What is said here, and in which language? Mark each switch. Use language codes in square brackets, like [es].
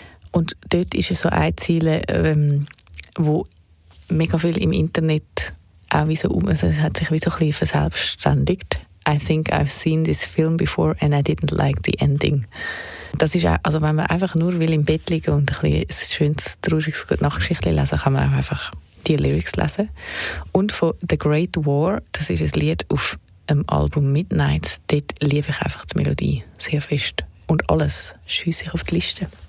[de] Und dort ist so ein Ziel, wo mega viel im Internet auch wie so also es hat sich wie so ein bisschen verselbstständigt. [en] I think I've seen this film before and I didn't like the ending. [de] Das ist auch, also wenn man einfach nur will im Bett liegen und ein bisschen ein schönes, trauriges Nachtgeschichte lesen, kann man auch einfach die Lyrics lesen. Und von The Great War, das ist ein Lied auf dem Album Midnight, dort liebe ich einfach die Melodie sehr fest. Und alles schiesse ich auf die Liste.